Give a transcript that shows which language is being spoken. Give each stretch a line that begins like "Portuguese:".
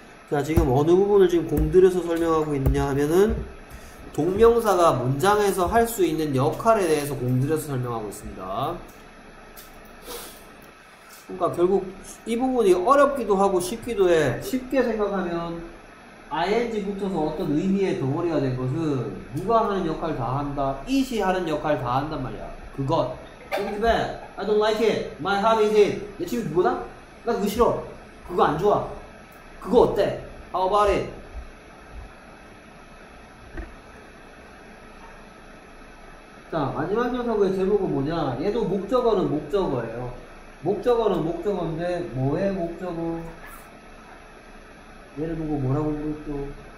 Korean: 자, 지금 어느 부분을 지금 공들여서 설명하고 있냐 하면은 동명사가 문장에서 할 수 있는 역할에 대해서 공들여서 설명하고 있습니다. 그러니까 결국 이 부분이 어렵기도 하고 쉽기도 해. 쉽게 생각하면 ing 붙어서 어떤 의미의 덩어리가 된 것은 누가 하는 역할 다 한다, it이 하는 역할 다 한단 말이야.
English: 그것 it's bad, I don't like it, my hobby is it.
Korean: 내 취미 그거다? 나 그거 싫어, 그거 안 좋아, 그거 어때?
English: How about it?
Korean: 자, 마지막 녀석의 제목은 뭐냐? 얘도 목적어는 목적어예요. 목적어는 목적어인데 뭐의 목적어? 예를 보고 뭐라고 부르죠?